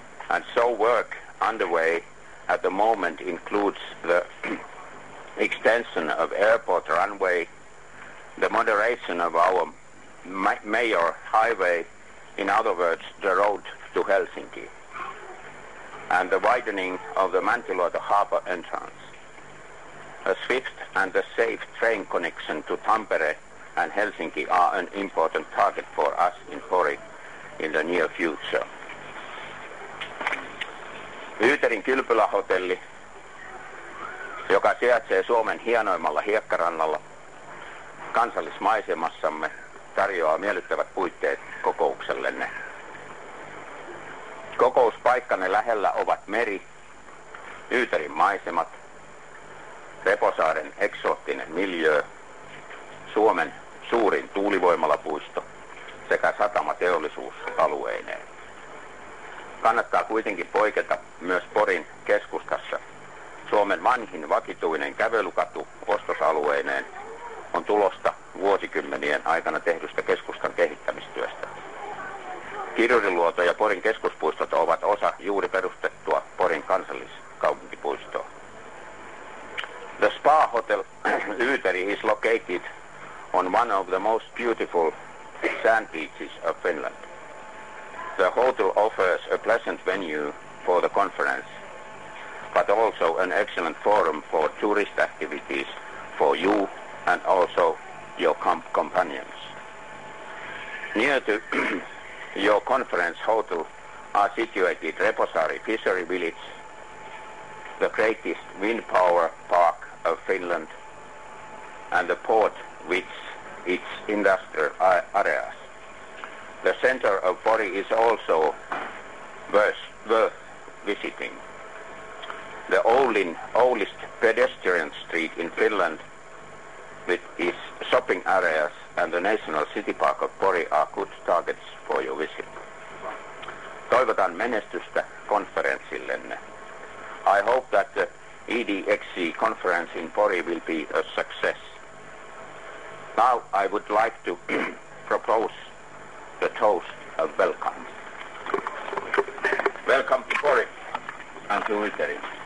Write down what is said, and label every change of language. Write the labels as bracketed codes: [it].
[en] And so work underway at the moment includes the extension of airport runway, the moderation of our major highway, in other words, the road to Helsinki, and the widening of the Mäntyluoto harbor entrance. A swift and a safe train connection to Tampere and Helsinki are an important target for us in Pori in the near future. [fi] Yyterin Kylpylähotelli, joka sijaitsee Suomen hienoimmalla hiekkarannalla kansallismaisemassamme, tarjoaa miellyttävät puitteet kokouksellenne. Kokouspaikkanne lähellä ovat meri, Yyterin maisemat, Reposaaren eksoottinen miljöö, Suomen suurin tuulivoimalapuisto sekä satama teollisuusalueineen. Kannattaa kuitenkin poiketa myös Porin keskustassa. Suomen vanhin vakituinen kävelykatu ostosalueineen on tulosta vuosikymmenien aikana tehdystä keskustan kehittämistyöstä. Kirjuriluoto ja Porin keskuspuistot ovat osa juuri perustettua Porin kansalliskaupunkipuistoa. [en] The Spa Hotel Yyteri is located on one of the most beautiful sand beaches of Finland. The hotel offers a pleasant venue for the conference, but also an excellent forum for tourist activities for you and also your companions. Near to your conference hotel are situated Reposaari Fishery Village, the greatest wind power park of Finland, and the port with its industrial areas. The center of Pori is also worth visiting. The oldest pedestrian street in Finland with its shopping areas and the National City Park of Pori are good targets for your visit. [fi] Toivotan menestystä konferenssillenne. [en] I hope that the EDXC conference in Pori will be a success. Now I would like to propose the toast of welcome. Welcome to Pori and to Ulteri.